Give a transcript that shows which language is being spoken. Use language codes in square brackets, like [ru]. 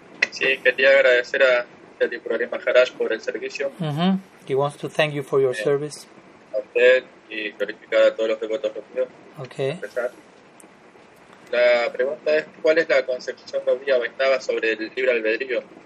[es] Sí, quería agradecer a Tripurari Maharaj por el servicio. [en] He wants to thank you for your service. [es] A usted y glorificar a todos los devotos que tuvieron. [en] Okay. [es] La pregunta es, ¿cuál es la concepción de Gaudiya Vaishnava sobre el libre albedrío?